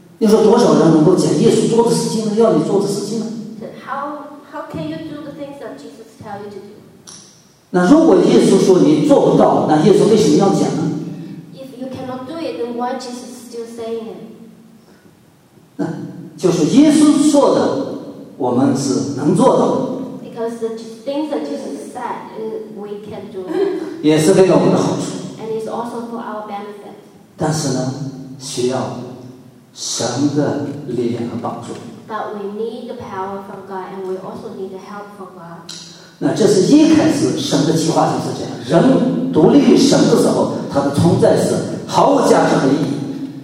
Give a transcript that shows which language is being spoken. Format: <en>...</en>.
<zh>你说多少人能够讲耶稣做的事情呢？要你做的事情呢？</zh> <en>How can you do the things that Jesus tell you to do?</en> <zh>那如果耶稣说你做不到，那耶稣为什么要讲呢？</zh> <en>If you cannot do it, then why Jesus still saying it?</en> <zh>那就是耶稣说的，我们是能做到。</zh> <en>Because the things that Jesus said, we can do.</en> <zh>也是为了我们的好处。</zh> <en>Also for our benefit.</en> <zh>但是呢，需要神的力量和帮助。</zh> <en>But we need the power from God, and we also need the help from God.</en> <zh>那这是一开始神的计划就是这样。人独立于神的时候，他的存在是毫无价值和意义。</zh>